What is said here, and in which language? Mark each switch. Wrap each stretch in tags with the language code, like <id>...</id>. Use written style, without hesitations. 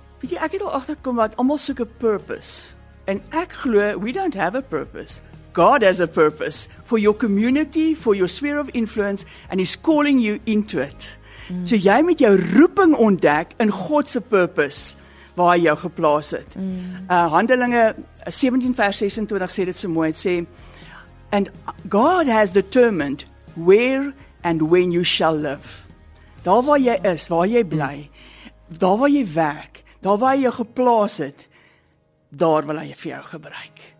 <af>Ja, ek het al agterkom wat almal soek 'n purpose. En ek glo</af> <en>we don't have a purpose. God has a purpose for your community, for your sphere of influence and he's calling you into it. Mm.</en> <af>So jy moet jou roeping ontdek in God se purpose waar hy jou geplaas het. Handelinge 17 vers 26 sê dit so mooi, sê</af> <en>and God has determined where and when you shall live.</en> <af>Daar waar jy is, waar jy bly, daar waar jy werk, daar waar jy geplaas het, daar wil hy vir jou gebruik.</af>